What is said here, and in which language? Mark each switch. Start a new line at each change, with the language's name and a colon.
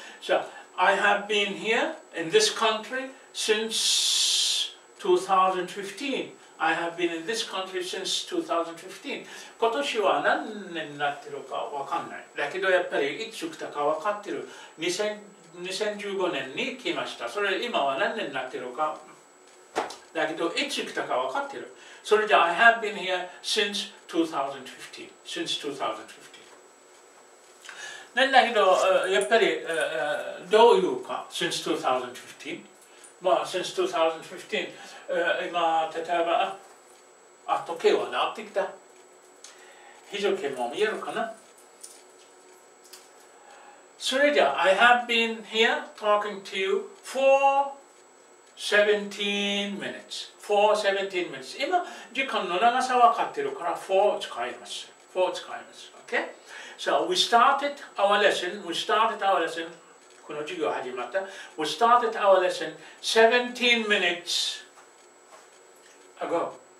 English: So, I have been here in this country since 2015. I have been in this country since 2015.
Japanese: 今年は何年になってるかわかんない。だけどやっぱりいつ来たかわかってる。 2015年に来ました。それ今は何年になってるか。だけどいつ来たかわかってる。それじゃあ
English: I have been here since 2015. Since 2015.
Japanese: なんだけど、やっぱり、どういうか
English: since 2015?
Japanese: まあ、
English: since 2015、
Japanese: 今、例えば、あ、時計は直ってきた。非常計も見えるかな。それじゃあ、
English: I have been here talking to you for 17 minutes. For 17 minutes.
Japanese: 今、時間の長さ分かってるから、for 使います。
English: for
Japanese: 使います。
English: Okay? So, we started our lesson. We started our lesson.
Japanese: この授業始まった。
English: We started our lesson 17 minutes ago.